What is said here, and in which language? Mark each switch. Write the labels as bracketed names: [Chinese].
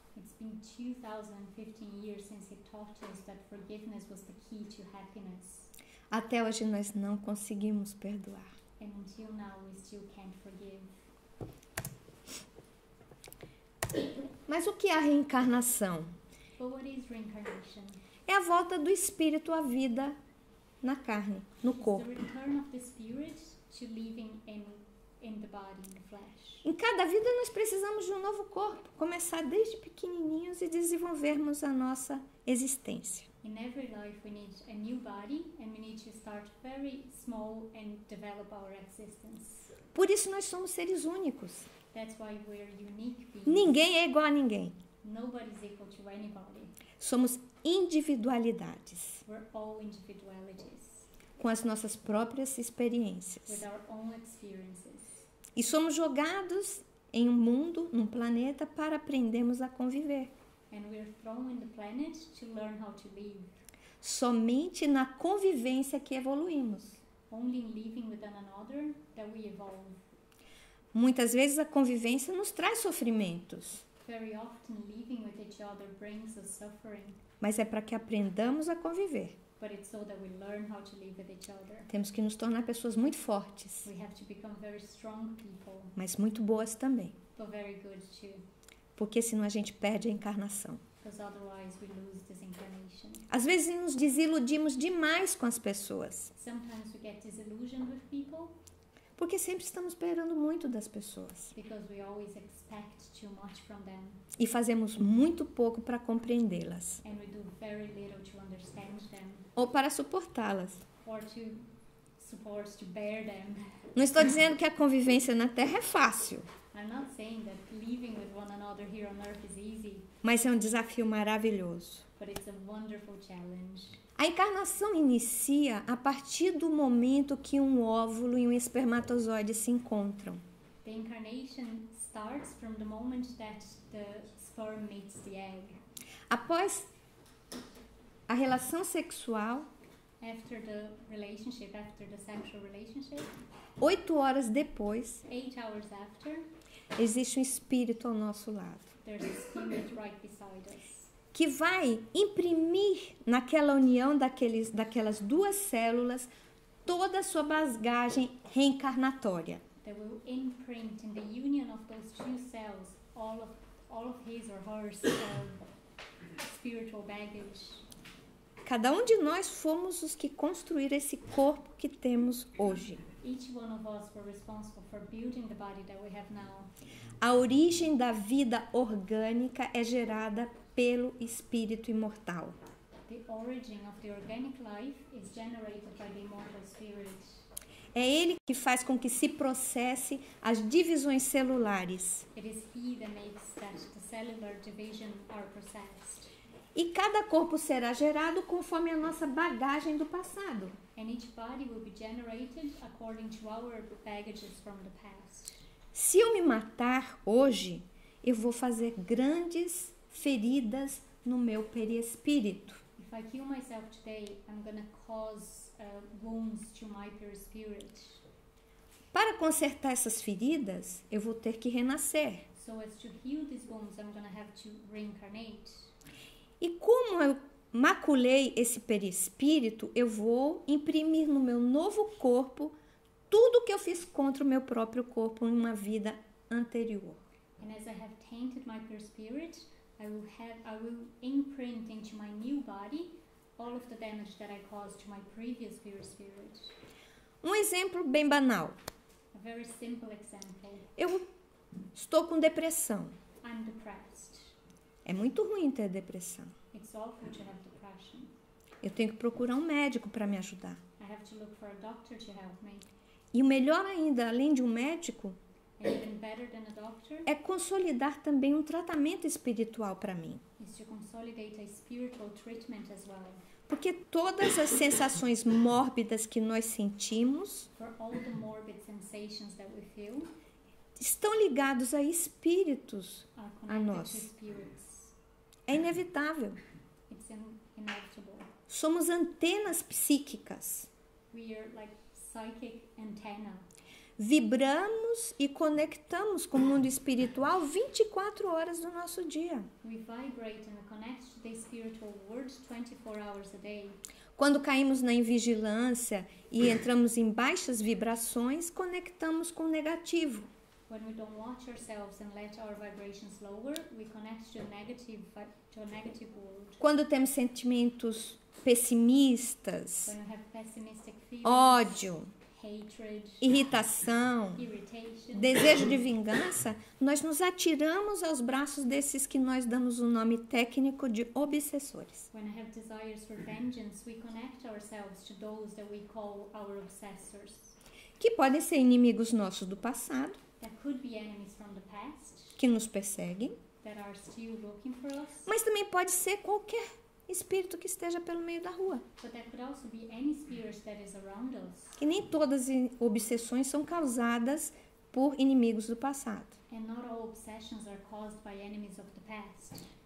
[English] It's been 2015 years since he taught us that forgiveness was the key to happiness. [Portuguese] Até hoje nós não conseguimos perdoar. [English] And until now, we still can't forgive. [Portuguese] Mas o que é a reencarnação? [English] But what is reincarnation? [Portuguese] É a volta do espírito à vida na carne, no corpo. [English] It's the return of the spirit to living in the body, in the flesh. [Portuguese] Em cada vida, nós precisamos de um novo corpo. Começar desde pequenininhos e desenvolvermos a nossa existência. [English] In every life we need a new body and we need to start very small and develop our existence. [Portuguese] Por isso nós somos seres únicos. [English] That's why we're unique beings. [Portuguese] Ninguém é igual a ninguém. [English] Nobody's equal to anybody. [Portuguese] Somos individualidades. [English] We're all individualities. [Portuguese] Com as nossas próprias experiências. [English] With our own experiences. [Portuguese] E somos jogados em um mundo, num planeta, para aprendermos a conviver. [English] And we're thrown in the planet to learn how to live. [Portuguese] Somente na convivência que evoluímos. [English] Only in living with one another that we evolve. [Portuguese] Muitas vezes a convivência nos traz sofrimentos. [English] Very often living with each other brings us suffering. [Portuguese] Mas é para que aprendamos a conviver. [English] But it's so that we learn how to live with each other. [Portuguese] Temos que nos tornar pessoas muito fortes. [English] We have to become very strong people. [Portuguese] Mas muito boas também. [English] But very good too. [Portuguese] Porque senão a gente perde a encarnação. [English] Because otherwise we lose this incarnation. [Portuguese] Às vezes nos desiludimos demais com as pessoas. [English] Sometimes we get disillusioned with people. [Portuguese] Porque sempre estamos esperando muito das pessoas. [English] Because we always expect too much from them. [Portuguese] E fazemos muito pouco para compreendê-las. [English] And we do very little to understand them. [Portuguese] Ou para suportá-las. [English] Or to support, to bear them. [Portuguese] Não estou dizendo que a convivência na Terra é fácil. [English] I'm not saying that living with one another here on Earth is easy. [Portuguese] Mas é um desafio maravilhoso. [English] But it's a wonderful challenge. [Portuguese] A encarnação inicia a partir do momento que um óvulo e um espermatozoide se encontram. [English] The incarnation starts from the moment that the sperm meets the egg. [Portuguese] Após a relação sexual, [English] after the relationship, after the sexual relationship, [Portuguese] 8 horas depois, [English] 8 hours after, [Portuguese] existe um espírito ao nosso lado. [English] There's a spirit right beside us. [Portuguese] Que vai imprimir naquela união daquelas duas células toda a sua bagagem reencarnatória. [English] That will imprint in the union of those two cells all of his or her spiritual baggage. [Portuguese] Cada um de nós fomos os que construíram esse corpo que temos hoje. [English] Each one of us were responsible for building the body that we have now. [Portuguese] A origem da vida orgânica é gerada pelo espírito imortal. [English] The origin of the organic life is generated by the immortal spirit. [Portuguese] É ele que faz com que se processe as divisões celulares. [English] It is he that makes that the cellular division are processed. [Portuguese] E cada corpo será gerado conforme a nossa bagagem do passado. [English] And each body will be generated according to our baggages from the past. [Portuguese] Se eu me matar hoje, eu vou fazer grandes feridas no meu perispírito. [English] If I kill myself today, I'm gonna cause wounds to my perispirit. [Portuguese] Para consertar essas feridas, eu vou ter que renascer. [English] So as to heal these wounds, I'm gonna have to reincarnate. [Portuguese] E como eu maculei esse perispírito, eu vou imprimir no meu novo corpo tudo que eu fiz contra o meu próprio corpo em uma vida anterior. [English] And as I have tainted my perispirit, I will imprint into my new body all of the damage that I caused to my previous perispirit. [Portuguese] Um exemplo bem banal. [English] A very simple example. [Portuguese] Eu estou com depressão. [English] I'm depressed. [Portuguese] É muito ruim ter depressão. [English] It's awful to have depression. [Portuguese] Eu tenho que procurar um médico para me ajudar. [English] I have to look for a doctor to help me. [Portuguese] E o melhor ainda, além de um médico, [English] even better than a doctor, [Portuguese] é consolidar também um tratamento espiritual para mim. [English] Is to consolidate a spiritual treatment as well. [Portuguese] Porque todas as sensações mórbidas que nós sentimos, [English] for all the morbid sensations that we feel, [Portuguese] estão ligados a espíritos, a nós. É inevitável. [English] It's inevitable. [Portuguese] Somos antenas psíquicas. [English] We are like psychic antenna. [Portuguese] Vibramos e conectamos com o mundo espiritual 24 horas do nosso dia. [English] We vibrate and connect to the spiritual world 24 hours a day. [Portuguese] Quando caímos na invigilância e entramos em baixas vibrações, conectamos com o negativo. [English] When we don't watch ourselves and let our vibrations lower, we connect to a negative world. [Portuguese] Quando temos sentimentos pessimistas, [English] when we have pessimistic feelings, [Portuguese] ódio, [English] hatred, [Portuguese] irritação, [English] irritation, [Portuguese] desejo de vingança, nós nos atiramos aos braços desses que nós damos o nome técnico de obsessores. [English] When we have desires for vengeance, we connect ourselves to those that we call our obsessors. [Portuguese] Que podem ser inimigos nossos do passado. [English] That could be enemies from the past, [Portuguese] que nos perseguem, [English] that are still looking for us, [Portuguese] mas também pode ser qualquer espírito que esteja pelo meio da rua. [English] But that could also be any spirit that is around us. [Portuguese] Que nem todas as obsessões são causadas por inimigos do passado. [English] And not all obsessions are caused by enemies of the past.